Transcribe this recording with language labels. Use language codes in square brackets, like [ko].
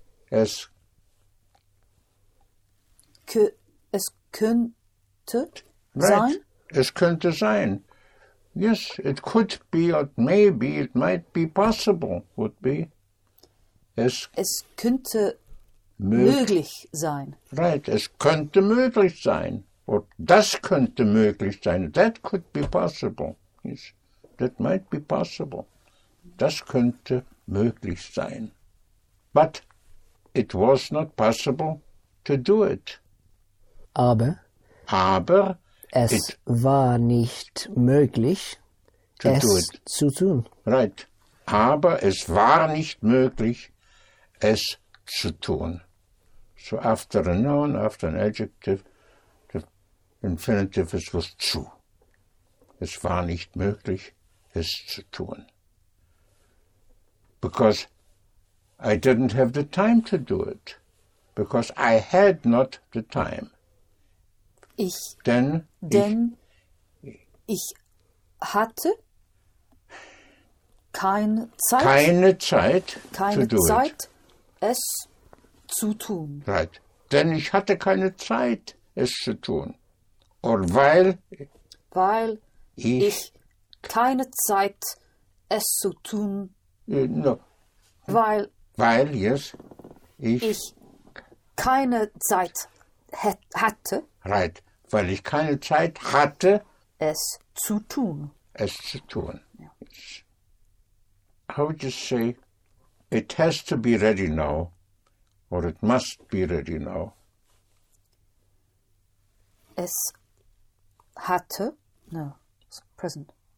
[de] Es könnte sein. Es könnte sein. [en] Yes, it could be, or maybe it might be possible, would be. [de] Es könnte möglich sein. Right, es könnte möglich sein. Or das könnte möglich sein. [en] That could be possible. Yes, that might be possible. [de] Das könnte möglich sein. [en] But it was not possible to do it. [de] Aber es war nicht möglich, es zu tun. [en] Right. [de] Aber es war nicht möglich, es zu tun. [en] So after a noun, after an adjective, the infinitive is with zu. [de] Es war nicht möglich, es zu tun. [en] Because I didn't have the time to do it. Because I had not the time. [de] Ich, denn, denn ich hatte keine Zeit, es zu tun. [en] Right. [de] Denn ich hatte keine Zeit, es zu tun. Oder weil, ich keine Zeit, es zu tun. [en] No. [de] Weil [en] yes, [de] ich keine Zeit hatte. [en] Right. [de] Weil ich keine Zeit hatte, es zu tun. Es zu tun. Yeah. [en] How would you say, it has to be ready now, or it must be ready now? [de] Es hatte, [en] no, it's present.